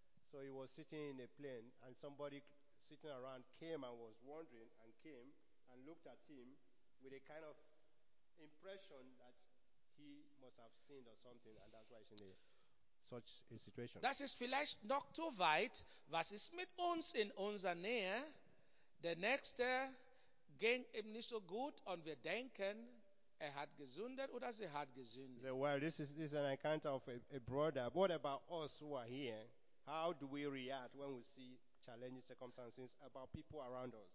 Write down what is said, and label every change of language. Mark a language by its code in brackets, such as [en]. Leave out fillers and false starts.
[en] So he was sitting in a plane and somebody sitting around came and was wondering and came and looked at him with a kind of impression that he must have sinned or something, and that's why he's in such a situation. [de] Das ist vielleicht noch zu weit. Was ist mit uns in unserer Nähe? Der Nächste ging ihm nicht so gut, und wir denken, hat gesündet oder sie hat gesündet. [en] This is an encounter of a brother. What about us who are here? How do we react when we see challenging circumstances about people around us?